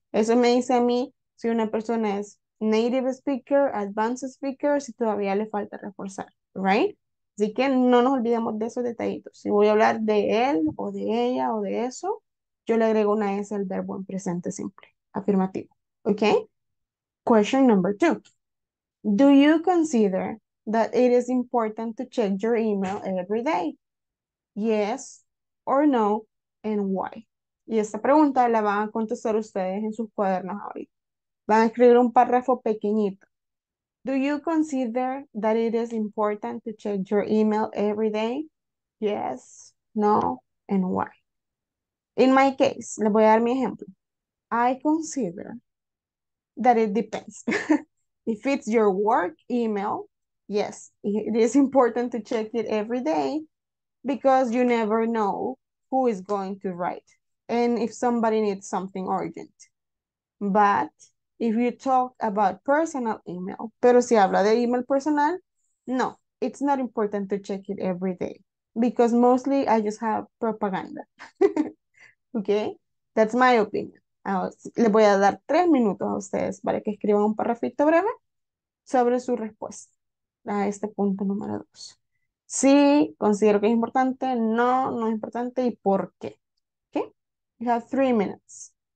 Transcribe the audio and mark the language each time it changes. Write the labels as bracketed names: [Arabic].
[Spanish] Eso me dice a mí, si una persona es [English] native speaker, advanced speaker, [Spanish] si todavía le falta reforzar, right? Así que no nos olvidemos de esos detallitos. Si voy a hablar de él o de ella o de eso, yo le agrego una S al verbo en presente simple, afirmativo, okay? [English] Question number two. Do you consider that it is important to check your email every day? Yes or no, and why? [Spanish] Y esta pregunta la van a contestar ustedes en sus cuadernos ahorita. Van a escribir un párrafo pequeñito. [English] Do you consider that it is important to check your email every day? Yes, no, and why? In my case, [Spanish] les voy a dar mi ejemplo. [English] I consider that it depends. If it's your work email, yes, it is important to check it every day because you never know who is going to write and if somebody needs something urgent. But if you talk about personal email, [Spanish] pero si habla de email personal, [English] no, it's not important to check it every day because mostly I just have propaganda. Okay, that's my opinion. [Spanish] Le voy a dar 3 minutos a ustedes para que escriban un parrafito breve sobre su respuesta a este punto número 2. Sí, considero que es importante, no, no es importante y por qué. [English] Okay, you have 3 minutes.